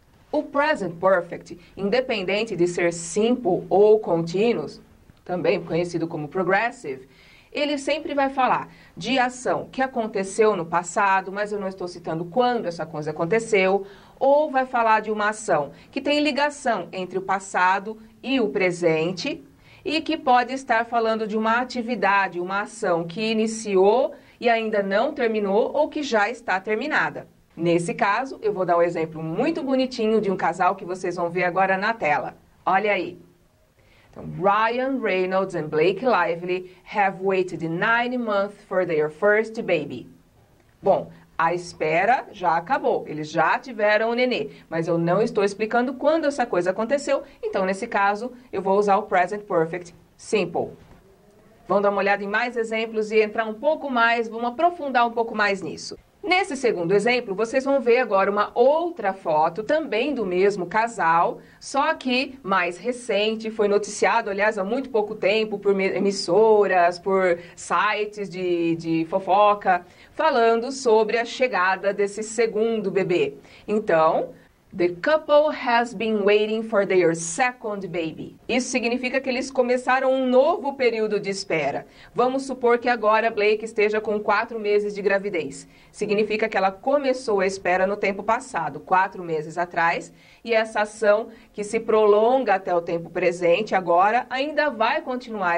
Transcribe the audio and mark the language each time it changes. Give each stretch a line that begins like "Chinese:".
Portuguese: O present perfect, independente de ser simple ou continuous, também conhecido como progressive, ele sempre vai falar de ação que aconteceu no passado, mas eu não estou citando quando essa coisa aconteceu, ou vai falar de uma ação que tem ligação entre o passado e o presente e que pode estar falando de uma atividade, uma ação que iniciou e ainda não terminou ou que já está terminada. Nesse caso, eu vou dar um exemplo muito bonitinho de um casal que vocês vão ver agora na tela. Olha aí.
English: Então, Ryan Reynolds and Blake Lively have waited 9 months for their first baby.
Portuguese: Bom, a espera já acabou. Eles já tiveram o nenê. Mas eu não estou explicando quando essa coisa aconteceu. Então, nesse caso, eu vou usar o Present Perfect Simple. Vamos dar uma olhada em mais exemplos e entrar um pouco mais, vamos aprofundar um pouco mais nisso. Nesse segundo exemplo, vocês vão ver agora uma outra foto, também do mesmo casal, só que mais recente, foi noticiado, aliás, há muito pouco tempo, por emissoras, por sites de fofoca, falando sobre a chegada desse segundo bebê.
English: Então, the couple has been waiting for their second baby.
Portuguese: Isso significa que eles começaram um novo período de espera. Vamos supor que agora Blake esteja com 4 meses de gravidez. Significa que ela começou a espera no tempo passado, 4 meses atrás, e essa ação que se prolonga até o tempo presente, agora, ainda vai continuar.